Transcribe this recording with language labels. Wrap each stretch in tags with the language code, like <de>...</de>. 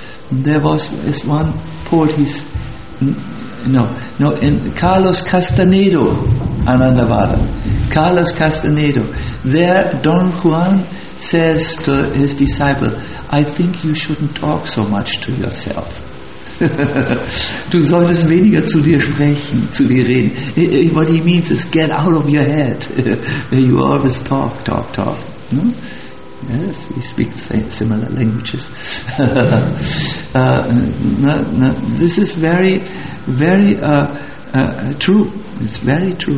<en>There was this one poet, in Carlos Castaneda, Anandavada. Carlos Castaneda. There Don Juan says to his disciple, I think you shouldn't talk so much to yourself.</en> <de>Du solltest weniger zu dir sprechen, zu dir reden.</de> <en>What he means is get out of your head. Where you always talk, talk, talk. No? Yes, we speak similar languages. this is very, very true. It's very true.</en>